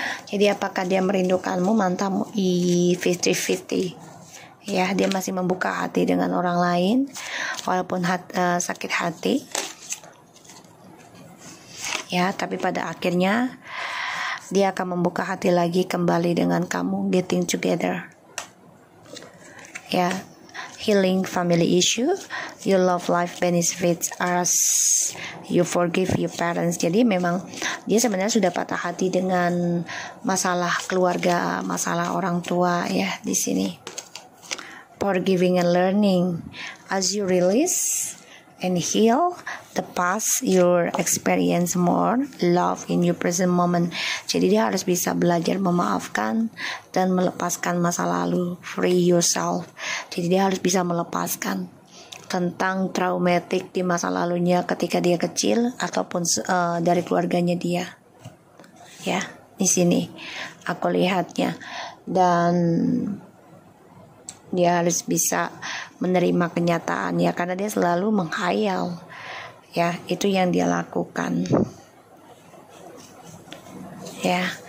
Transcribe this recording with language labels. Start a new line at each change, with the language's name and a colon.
Indonesian: Jadi apakah dia merindukanmu, mantanmu? 50-50. Ya, dia masih membuka hati dengan orang lain walaupun sakit hati. Ya, tapi pada akhirnya dia akan membuka hati lagi kembali dengan kamu,
English: getting together. ya, healing family issue, your love life benefits as you forgive your parents.
Indonesian: Jadi memang dia sebenarnya sudah patah hati dengan masalah keluarga, masalah orang tua ya di sini.
English: Forgiving and learning as you release and heal the past, your experience more love in your present moment.
Indonesian: Jadi dia harus bisa belajar memaafkan dan melepaskan masa lalu,
English: free yourself.
Indonesian: Jadi dia harus bisa melepaskan tentang traumatik di masa lalunya ketika dia kecil ataupun dari keluarganya dia. Ya, di sini aku lihatnya, dan dia harus bisa menerima kenyataan ya, karena dia selalu menghayal ya, itu yang dia lakukan ya.